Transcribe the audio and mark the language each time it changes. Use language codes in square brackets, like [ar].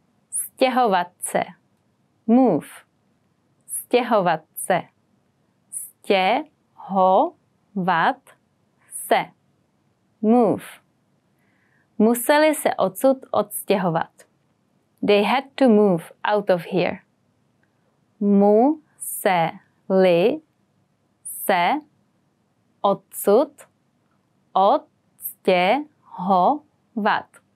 [cs] Stěhovat se. [en] Move. [cs] Stěhovat se. Stěhovat se. [en] Move. [cs] Museli se odsud odstěhovat. [en] They had to move out of here. [cs] Museli se odsud odstěhovat.